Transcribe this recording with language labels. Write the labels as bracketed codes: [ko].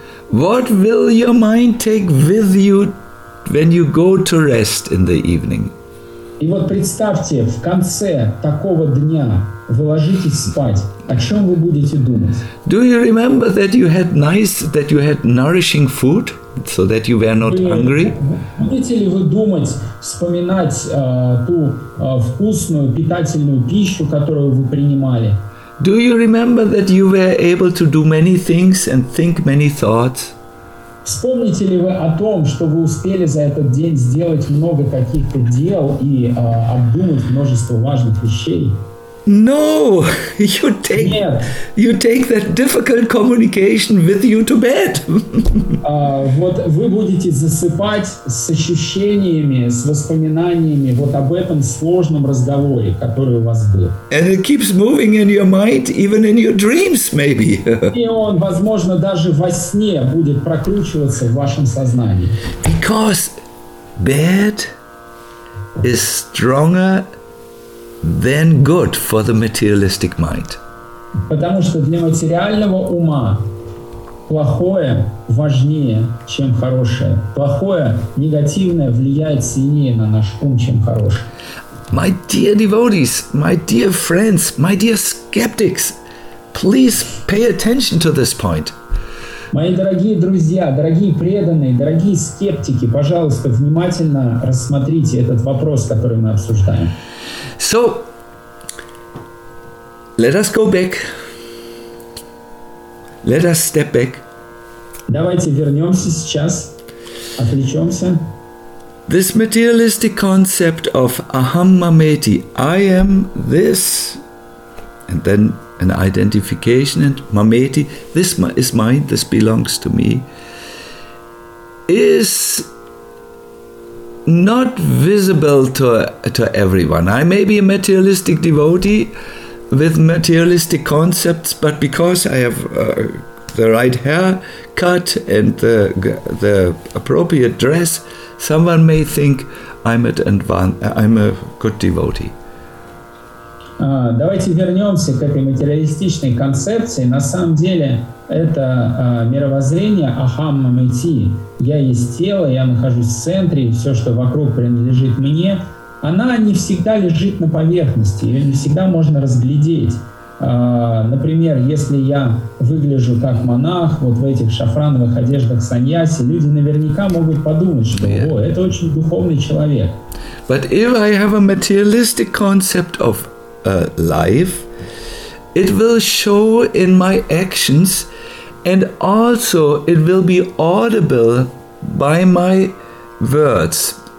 [en] What will your mind take with you when you go to rest in the evening? [ru] И вот представьте, в конце такого дня вы ложитесь спать. О чем вы будете думать? [en] Do you remember that you had nice, that you had nourishing food, so that you were not hungry? [ru] Будете ли вы думать, вспоминать ту вкусную, питательную пищу, которую вы принимали? [en] Do you remember that you were able to do many things and think many thoughts? [ru] Вспомните ли вы о том, что вы успели за этот день сделать много каких-то дел и обдумать множество важных вещей? [en] No, you take that difficult communication with you to bed. [ru] Вот вы будете засыпать с ощущениями, с воспоминаниями вот об этом сложном разговоре, который у вас был. [en] And it keeps moving in your mind, even in your dreams, maybe. [ru] И он, возможно, даже во сне будет прокручиваться в вашем сознании. [en] Because bad is stronger than good for the materialistic mind. [ru] Потому что для материального ума плохое важнее, чем хорошее. Плохое, негативное влияет сильнее на наш ум, чем хорошее. [en] My dear devotees, my dear friends, my dear skeptics, please pay attention to this point. [ru] Мои дорогие друзья, дорогие преданные, дорогие скептики, пожалуйста, внимательно рассмотрите этот вопрос, который мы обсуждаем. [en] So, let us go back. Let us step back. [ru] Давайте вернемся сейчас, отвлечемся. [en] This materialistic concept of aham mameti, I am this, and then an identification, and mameti, this is mine, this belongs to me, is not visible to everyone. I may be a materialistic devotee with materialistic concepts, but because I have the right hair cut and the appropriate dress, someone may think I'm a good devotee. [ru] Давайте вернемся к этой материалистичной концепции. На самом деле это мировоззрение Ахаммамити. Я есть тело, я нахожусь в центре, и все, что вокруг, принадлежит мне. Она не всегда лежит на поверхности, ее не всегда можно разглядеть. Например, если я выгляжу как монах, вот в этих шафрановых одеждах саньяси, люди наверняка могут подумать, что о, это очень духовный человек. [en] But if I have a materialistic concept of life, it will show in my actions, and also it will be audible by my words.